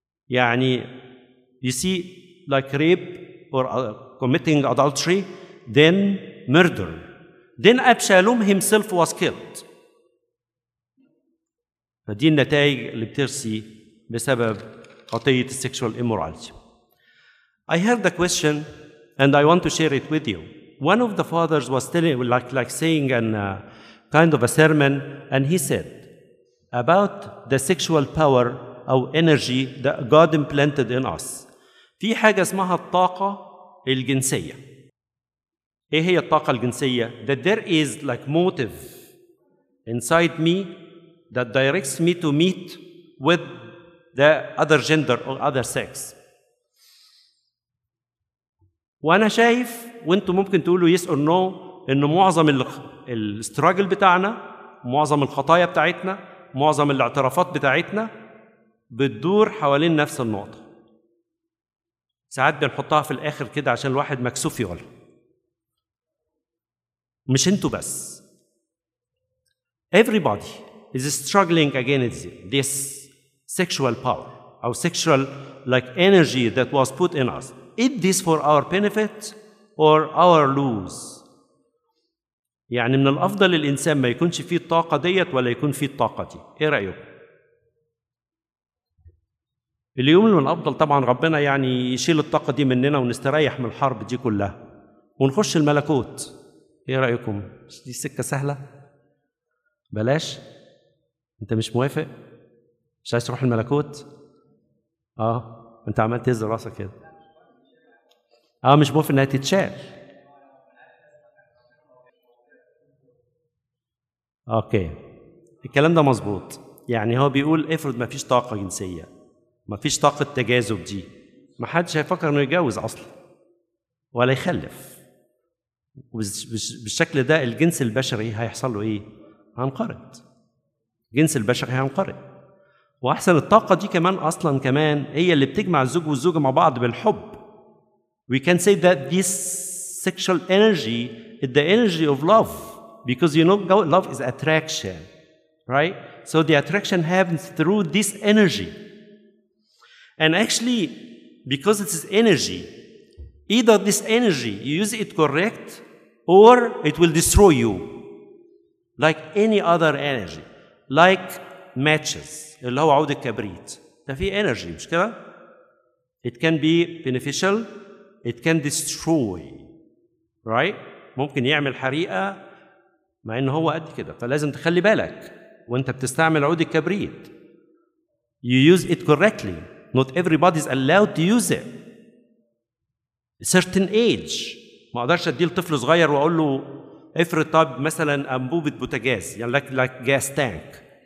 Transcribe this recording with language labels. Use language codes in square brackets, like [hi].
[en] يعني, you see, like rape or committing adultery, then murder. Then Abshalom himself was killed. [ar] فدي النتائج اللي بترسي بسبب قضية sexual immorality. [en] I heard a question and I want to share it with you. One of the fathers was telling, like saying kind of a sermon, and he said about the sexual power or energy that God implanted in us. [ar] في حاجة اسمها الطاقة الجنسية. إيه هي الطاقة الجنسية؟ [en] That there is like motive inside me that directs me to meet with the other gender or other sex. [ar] وأنا شايف وأنتم ممكن تقولوا [en] yes or no [ar] إنه معظم الستراجل بتاعنا, معظم الخطايا بتاعتنا, معظم الاعترافات بتاعتنا بتدور حوالين نفس النقطة. ساعات بنحطها في الآخر كده عشان الواحد مكسوف يقول. مش أنتوا بس. [en] Everybody is struggling against this sexual power or sexual like energy that was put in us. Is this for our benefit or our lose? [ar] يعني من الأفضل الإنسان ما يكونش فيه الطاقة ديت ولا يكون فيه الطاقة دي. إيه رأيك؟ اليوم من الأفضل طبعاً ربنا يعني يشيل الطاقة دي مننا ونستريح من الحرب دي كلها ونخش الملكوت. إيه رأيكم؟ دي سكة سهلة؟ بلاش؟ أنت مش موافق؟ مش عايز تروح الملكوت؟ آه؟ أنت عملت تهز راسك كده؟ آه مش موافق إنها تتشال؟ أوكي الكلام ده مظبوط. يعني هو بيقول افرض ما فيش طاقة جنسية, ما فيش طاقة تجاذب دي, ما حدش هيفكر انه يتجوز اصلا ولا يخلف. بالشكل ده الجنس البشري هيحصل له ايه؟ هنقرض. الجنس البشري هينقرض. واحسن الطاقة دي كمان اصلا كمان هي اللي بتجمع الزوج والزوجة مع بعض بالحب. [en] We can say that this sexual energy is the energy of love, because you know love is attraction, right? So the attraction happens through this energy. And actually, because it is energy, either this energy, you use it correct, or it will destroy you. Like any other energy. Like matches. [ar] اللي هو عود الكبريت. ده فيه [en] energy, [ar] مش كده؟ [en] It can be beneficial. It can destroy. Right? [ar] ممكن يعمل حريقة مع إن هو قد كده. فلازم تخلي بالك. وانت بتستعمل عود الكبريت. [en] You use it correctly. Not everybody is allowed to use it. A certain age. [ar] ما أقدرش أدي لطفل صغير وأقول له افرض طب مثلا أنبوبة بوتاجاز, يعني [en] like gas tank.